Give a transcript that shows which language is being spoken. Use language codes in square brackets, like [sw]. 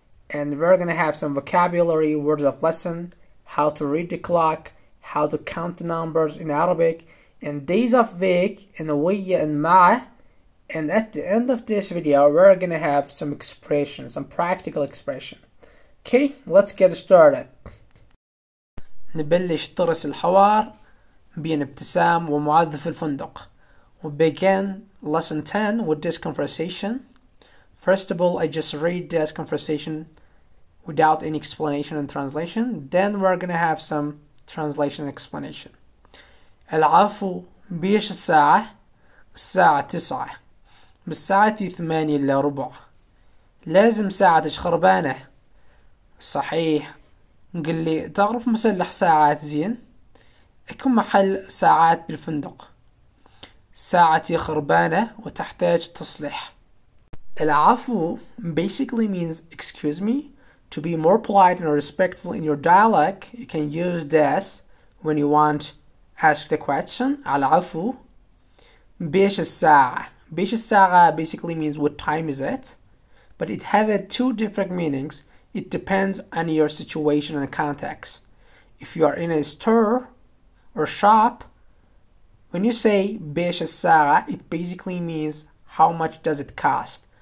[en] And we're gonna have some vocabulary, words of lesson, how to read the clock, how to count the numbers in Arabic, and days of week, and weya and ma. And at the end of this video, we're gonna have some expression, some practical expression. Okay, let's get started. [ar] نبلش طرس الحوار بين ابتسام ومعاذ في الفندق. [en] We begin lesson 10 with this conversation. First of all, I just read this conversation without any explanation and translation. Then we're gonna have some translation and explanation. [ar] العفو بيش الساعة؟ الساعة 9 بالساعة 8 إلا ربع لازم ساعتك خربانة صحيح قل لي تعرف مسلح ساعات زين؟ أكو محل ساعات بالفندق ساعتي خربانة وتحتاج تصليح العفو [en] basically means excuse me. To be more polite and respectful in your dialect, you can use this when you want ask the question, [ar] al-afu, bish al-sa'a. Bish al-sa'a [en] basically means what time is it? But it has two different meanings. It depends on your situation and context. If you are in a store or shop, when you say [ar] bish al-sa'a, [en] it basically means how much does it cost?